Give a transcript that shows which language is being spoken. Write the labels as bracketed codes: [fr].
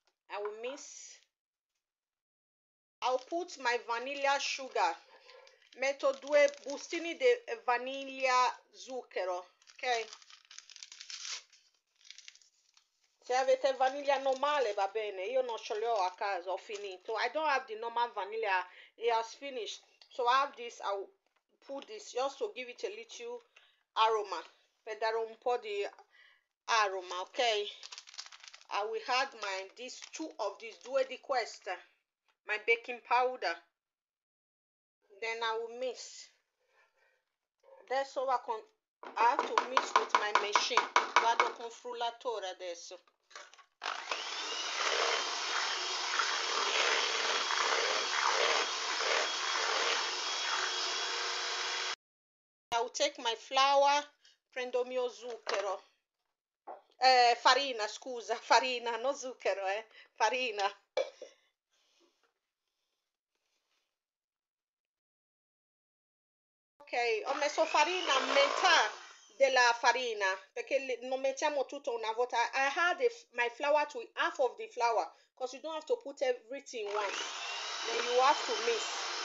[en] I will mix, I'll put my vanilla sugar, [it] metto due bustini di vaniglia zucchero. Ok, se avete vaniglia normale va bene, io non ce l'ho a casa, ho finito. [en] I don't have the normal vanilla, it has finished. So I have this, I'll put this just to give it a little aroma, [it] per dare un po' di aroma, [en] ok? I will add my, these two of these, [it] due di queste, [en] my baking powder. Then I will mix. [it] Adesso va con... [en] I have to mix with my machine. [it] Vado con frullatore adesso. [en] I'll take my flour, [it] prendo mio zucchero. Farina, scusa, farina, non zucchero, farina. Ho messo farina, metà della farina, perché non mettiamo tutto una volta. [en] I had my flour to half of the flour, because you don't have to put everything once. Then you have to mix.